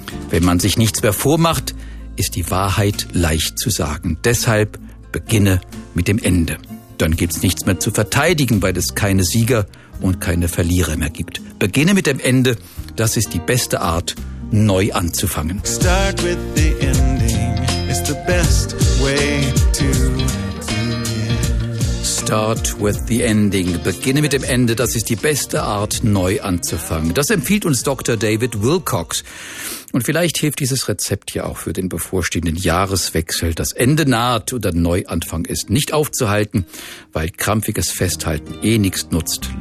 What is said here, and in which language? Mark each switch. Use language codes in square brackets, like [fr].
[de] Wenn man sich nichts mehr vormacht, ist die Wahrheit leicht zu sagen. Deshalb beginne mit dem Ende. Dann gibt's nichts mehr zu verteidigen, weil es keine Sieger und keine Verlierer mehr gibt. Beginne mit dem Ende, das ist die beste Art, neu anzufangen. [en] Start with the ending, it's the best way to begin. Start with the ending, [de] beginne mit dem Ende, das ist die beste Art, neu anzufangen. Das empfiehlt uns Dr. David Wilcox. Und vielleicht hilft dieses Rezept ja auch für den bevorstehenden Jahreswechsel. Das Ende naht und ein Neuanfang ist nicht aufzuhalten, weil krampfiges Festhalten eh nichts nutzt.